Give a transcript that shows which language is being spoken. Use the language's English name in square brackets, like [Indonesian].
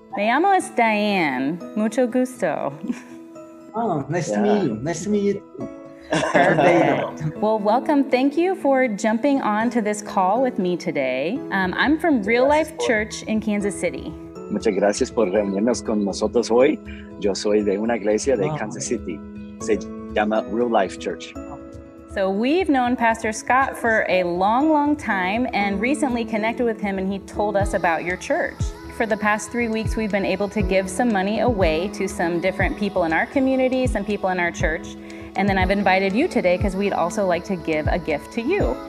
[Spanish] Me llamo es Diane. Mucho gusto. [English] Oh, nice to meet you. Nice to meet you. Perfect. Well, welcome. Thank you for jumping on to this call with me today. I'm from Real Life Church in Kansas City. [Spanish] Muchas gracias por reunirnos con nosotros hoy. Yo soy de una iglesia de Kansas City. Se llama Real Life Church. [English] So we've known Pastor Scott for a long, long time and recently connected with him, and he told us about your church. For the past 3 weeks, we've been able to give some money away to some different people in our community, some people in our church. And then I've invited you today because we'd also like to give a gift to you.